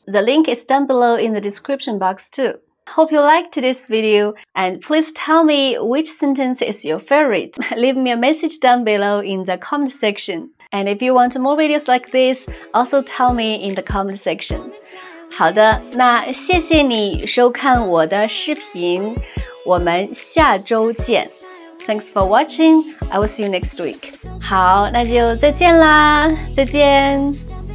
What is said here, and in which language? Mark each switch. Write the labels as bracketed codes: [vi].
[en] The link is down below in the description box too. Hope you liked this video, and please tell me which sentence is your favorite. Leave me a message down below in the comment section. And if you want more videos like this, also tell me in the comment section. [zh] 好的，那谢谢你收看我的视频，我们下周见。 [en] Thanks for watching. I will see you next week. [zh] 好，那就再见啦，再见。